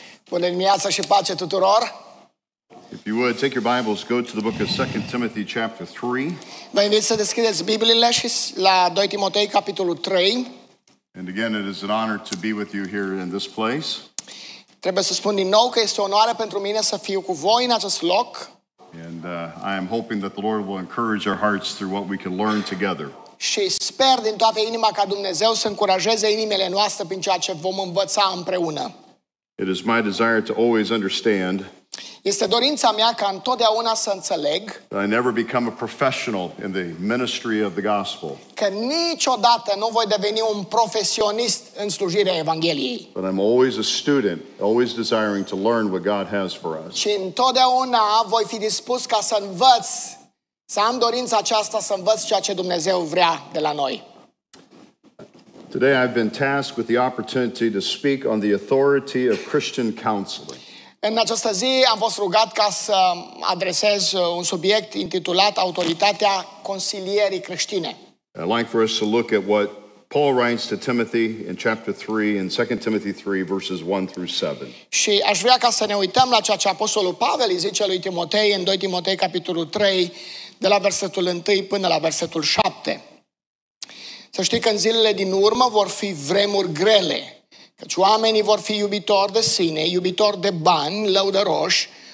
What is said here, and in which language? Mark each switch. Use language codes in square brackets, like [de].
[ro] Bună dimineața și pace tuturor. [en] If you would take your Bibles, go to the book of 2 Timothy chapter 3. [ro] Vă invit să deschideți Bibliile și la 2 Timotei capitolul 3. [en] And again, it is an honor to be with you here in this place. [ro] Trebuie să spun din nou că este o onoare pentru mine să fiu cu voi în acest loc. [en] And I am hoping that the Lord will encourage our hearts through what we can learn together. [ro] Și sper din toată inima ca Dumnezeu să încurajeze inimile noastre prin ceea ce vom învăța împreună. [en] It is my desire to always understand. [ro] Este dorința mea ca întotdeauna să înțeleg. [en] I never become a professional in the ministry of the gospel. [ro] Că niciodată nu voi deveni un profesionist în slujirea Evangheliei. [en] But I'm always a student, always desiring to learn what God has for us. [ro] Și întotdeauna voi fi dispus ca să învăț. Să am dorința aceasta să învăț ceea ce Dumnezeu vrea de la noi. [en] Today I've been tasked with the opportunity to speak on the authority of Christian counseling. [ro] În această zi am fost rugat ca să adresez un subiect intitulat Autoritatea consilierii creștine. [en] I'd like for us to look at what Paul writes to Timothy in chapter 3, in 2 Timothy 3, verses 1 through 7. [ro] Și aș vrea ca să ne uităm la ceea ce Apostolul Pavel îi zice lui Timotei în 2 Timotei capitolul 3, de la versetul 1 până la versetul 7. Să știi că în zilele din urmă vor fi vremuri grele, căci oamenii vor fi iubitori de sine, iubitori de bani, lăudăroși,